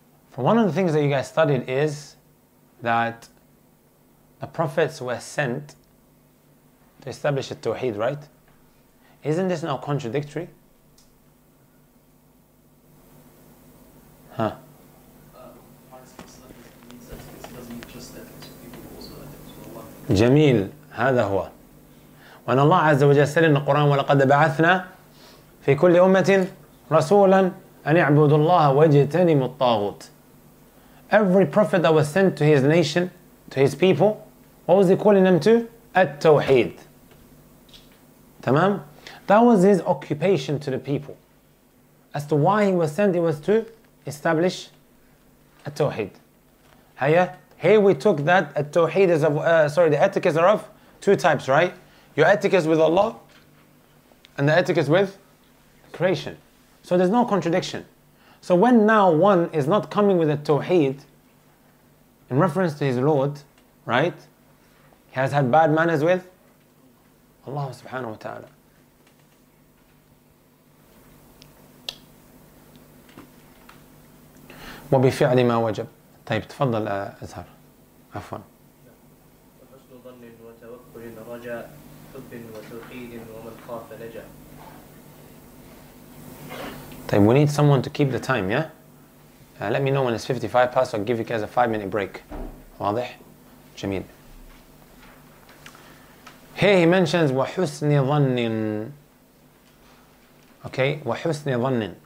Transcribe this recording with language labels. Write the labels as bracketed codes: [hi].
[en] For one of the things that you guys studied is that the prophets were sent to establish a Tawheed, right? Isn't this now contradictory? Part of Islam means that it doesn't just that people also [ar] جميل هذا هو. وأن الله عز وجل سأل إن القرآن ولقد بعثنا في كل أمة رسولا أن يعبدوا الله واجتنبوا الطاغوت. [en] Every prophet that was sent to his nation, to his people, what was he calling them to? [ar] التوحيد. تمام؟ [en] That was his occupation to the people. As to why he was sent, it was to establish التوحيد. [ar] هيا. [en] Here we took that التوحيد is of, the etiquettes are of two types, right? Your etiquettes with Allah and the etiquettes with creation. So there's no contradiction. So when now one is not coming with a tawheed in reference to his Lord, right? He has had bad manners with Allah subhanahu wa ta'ala. [ar] وبفعل ما وجب. طيب تفضل أزهر. عفوا. وحسن ظن وتوكل رجاء حب وتوحيد ومن خاف نجا. طيب, [en] we need someone to keep the time, yeah? Let me know when it's 55 past, I'll give you guys a 5-minute break. [ar] واضح؟ جميل. [en] Here he mentions [ar] وَحُسْنِ ظَنِّن. [en] Okay, وَحُسْنِ ظَنِّن.